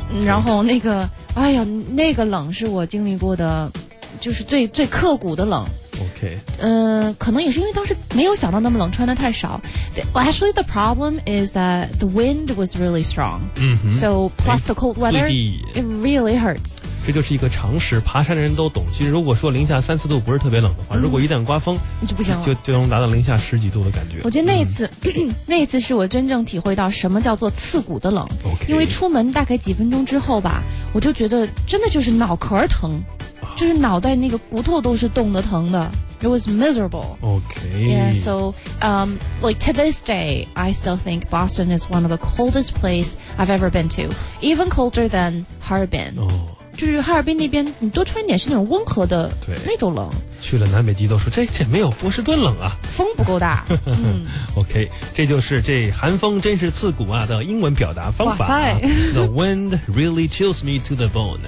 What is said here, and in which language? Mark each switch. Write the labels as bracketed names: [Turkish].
[Chinese] 然后那个，哎呀，那个冷是我经历过的，就是最刻骨的冷。 [English] OK。 [Chinese] 可能也是因为当时没有想到那么冷，穿的太少。 [English] Actually, the problem is that the wind was really strong.、 Mm-hmm. So plus the cold weather,、 Lady. It really hurts. [Chinese] 这就是一个常识，爬山的人都懂。其实如果说零下三四度不是特别冷的话，如果一旦刮风，你就不行了，就能达到零下十几度的感觉。我觉得那一次、那一次是我真正体会到什么叫做刺骨的冷。 [English] Okay. [Chinese] 因为出门大概几分钟之后吧，我就觉得真的就是脑壳疼，就是脑袋那个骨头都是冻得疼的。 [English] It was miserable. Okay. Yeah, so, like to this day, I still think Boston is one of the coldest places I've ever been to. Even colder than Harbin. Oh. [Chinese] 就是哈尔滨那边你多穿点是那种温和的对那种冷去了南北极都说这没有波士顿冷啊风不够大、 OK 这就是这寒风真是刺骨啊的英文表达方法、啊、 [English] The wind really chills me to the bone